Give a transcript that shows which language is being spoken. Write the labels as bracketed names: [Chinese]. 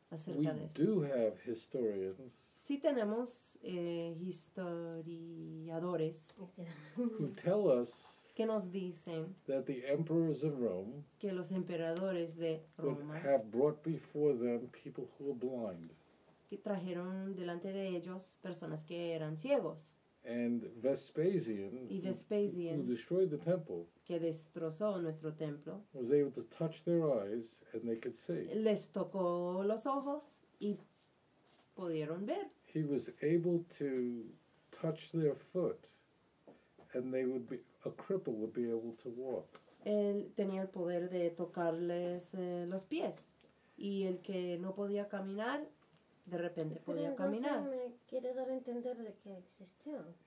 [English] We do have historians. [Spanish] Sí tenemos historiadores [English] who tell us [Spanish] que nos dicen [English] that the emperors of Rome [Spanish] que los emperadores de Roma [English] have brought before them people who were blind. [Spanish] Que trajeron delante de ellos personas que eran ciegos. [English] And Vespasian, who destroyed the temple, [Spanish] que destrozó nuestro templo, [English] was able to touch their eyes and they could see. [Spanish] Les tocó los ojos y pudieron ver. [English] He was able to touch their foot and a cripple would be able to walk. [Spanish] Él tenía el poder de tocarles los pies, y el que no podía caminar de repente podía caminar. Me quiere dar a entender de que existió.